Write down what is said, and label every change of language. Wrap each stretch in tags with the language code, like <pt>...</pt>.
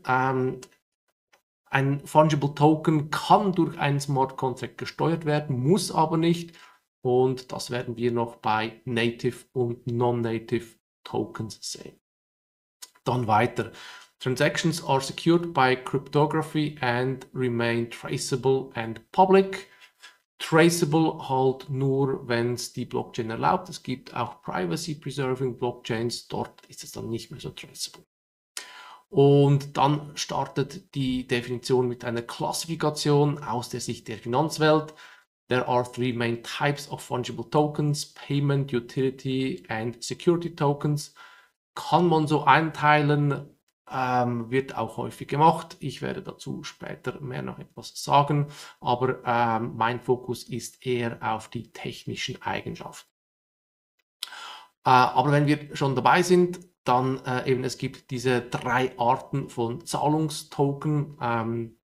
<de>Ein Fungible Token kann durch einen Smart Contract gesteuert werden, muss aber nicht. Und das werden wir noch bei Native und Non-Native Tokens sehen. Dann weiter.</de> <en>Transactions are secured by cryptography and remain traceable and public.</en> <de>Traceable halt nur, wenn es die Blockchain erlaubt. Es gibt auch Privacy-preserving Blockchains. Dort ist es dann nicht mehr so traceable. Und dann startet die Definition mit einer Klassifikation aus der Sicht der Finanzwelt.</de> <en>There are three main types of fungible tokens: Payment, Utility and Security Tokens.</en> <de>Kann man so einteilen, wird auch häufig gemacht. Ich werde dazu später mehr noch etwas sagen, aber mein Fokus ist eher auf die technischen Eigenschaften. Aber wenn wir schon dabei sind, dann eben, es gibt diese drei Arten von Zahlungstoken.</de>